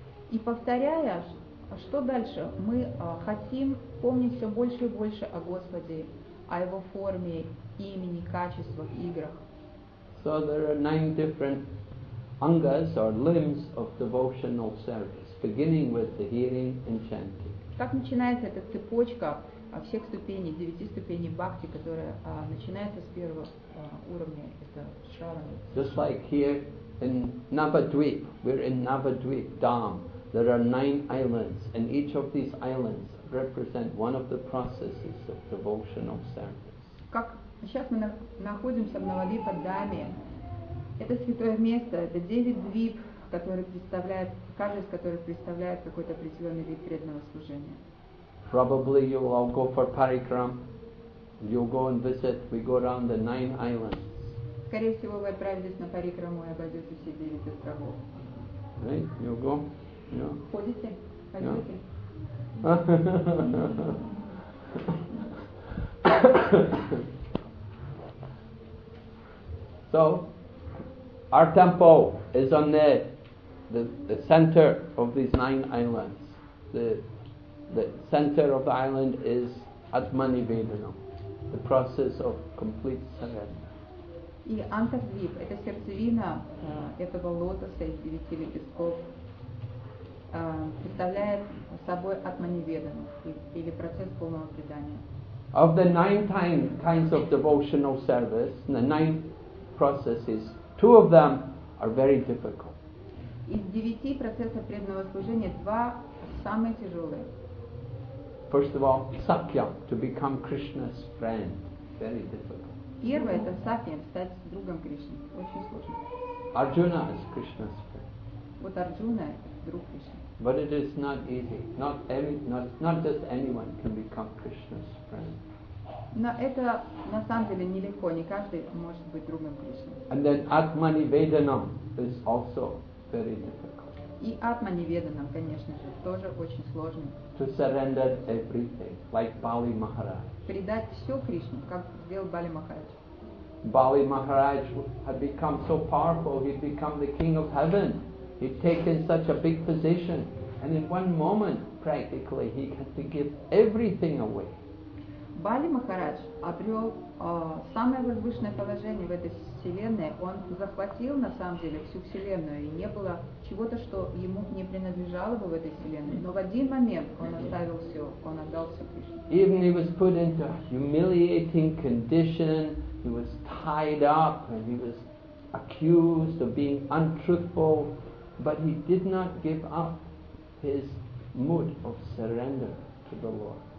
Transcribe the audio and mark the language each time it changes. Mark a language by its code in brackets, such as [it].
[ru] И повторяя, что дальше? Мы хотим помнить все больше и больше о Господе, о Его форме, имени, качествах, играх. [en] So there are 9 different angas or limbs of devotional service, beginning with the hearing and chanting. [ru] Как начинается эта цепочка? Всех ступеней, 9 ступеней бхакти, которые начинаются с первого уровня, это шравана. [en] Just like here in Navadvip, we're in Navadvip Dham. There are 9 islands, and each of these islands represent one of the processes of devotional service. [ru] Как сейчас мы находимся в Навадвипа Дхаме, это святое место, это 9 двип, которые представляют, каждый из которых представляет какой-то определенный вид преданного служения. [en] Probably you will all go for parikram. You'll go and visit. We go around the 9 islands. [ru] Скорее всего, вы отправитесь на парикраму и обойдете все 9 островов. [en] Right? You go? Yeah. [ru] Ходите? Ходите? [en] Yeah. So our temple is on the center of these nine islands. The center of the island is Atmani Vedana, the process of complete surrender. [ru] И Антардвип – это сердцевина этого лотоса из девяти лепестков, представляет собой Атмани Ведану или процесс полного предания. [en] Of the nine kinds of devotional service, the nine processes, two of them are very difficult. [ru] Из девяти процессов преданного служения два самые тяжелые. [en] First of all, Sakya, to become Krishna's friend, very difficult. [ru] Первое это Сакья, стать другом Кришны, очень сложно. [en] Arjuna is Krishna's friend. [ru] Вот Арджуна друг Кришны. [en] But it is not easy. Not just anyone can become Krishna's friend. [ru] Но это на самом деле нелегко. Не каждый может быть другом Кришны. [en] And then Atmani Vedanam is also very difficult. [ru] И Атмани Веданам, конечно же, тоже очень сложно. [en] To surrender everything, like Bali Maharaj. [ru] Предать все Кришне, как сделал Бали Махарадж. [en] Бали Махарадж had become so powerful, he'd become the king of heaven. He'd taken such a big position, and in one moment, practically, he had to give everything away. [ru] Бали Махарадж обрел самое возвышенное положение в этой вселенной. Он захватил, на самом деле, всю вселенную, и не было чего-то, что ему не принадлежало бы в этой вселенной. Но в один момент он оставил все, он отдал все Кришне. [en] Even he was put into a humiliating condition, he was tied up, and he was accused of being untruthful, but he did not give up his mood of surrender to the Lord.